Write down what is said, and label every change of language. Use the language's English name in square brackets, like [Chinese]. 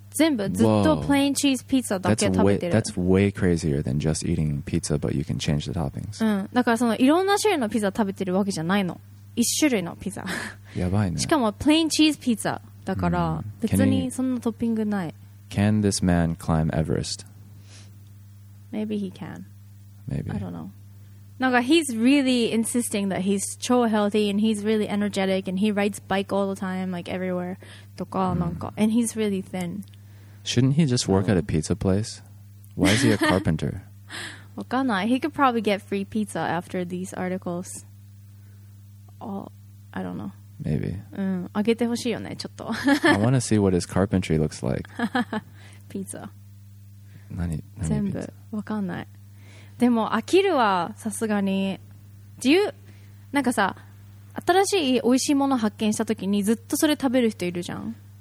[Japanese] 全部ずっとプレインチーズピザだけ食べてる。 [English] That's way crazier than just eating pizza, but you can change the toppings. [Japanese] うん。だからいろんな種類のピザ食べてるわけじゃないの。一種類のピザ。やばいね。しかもプレインチーズピザだから、別にそんなトッピングない。 [English] Can this man climb Everest? Maybe he can. Maybe. I don't know. なんか he's really insisting that he's 超 healthy and he's really energetic and he rides bike all the time like everywhere [Japanese] とかなんか、 [English] and he's really thin. Shouldn't he just work at a pizza place? Why is he a carpenter? [Japanese] わかんない。 [English] He could probably get free pizza after these articles. All, I don't know. Maybe. [Japanese] あげてほしいよね、ちょっと。 [English] I want to see what his carpentry looks like. Pizza. [Japanese] 何全部。わかんない。でも飽きるはさすがに。 [English] Do you [Japanese] なんかさ、新しい美味しいもの発見したときにずっとそれ食べる人いるじゃん。